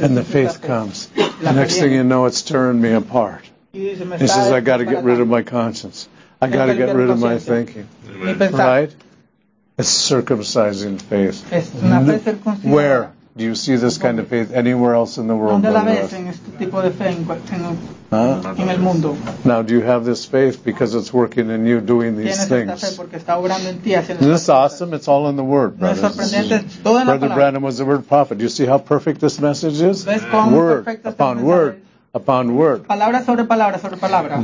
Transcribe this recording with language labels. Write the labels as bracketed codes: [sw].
[en] and the faith comes. [es] La [en] next fe thing you know, it's tearing me apart. [es] Y dice, me [en] he says, I got to get rid of my conscience. I got to get rid of my thinking. Amen. Right? It's circumcising faith. [es] Es una fe circuncisada. [en] Where do you see this kind of faith anywhere else in the world? [es] ¿Dónde la ves en este tipo de fe en el mundo? [en] Now, do you have this faith because it's working in you doing these things? This is awesome. It's all in the Word, brothers. Brother Branham was the Word prophet. Do you see how perfect this message is? Word upon word upon word. [es] Palabra sobre palabra sobre palabra.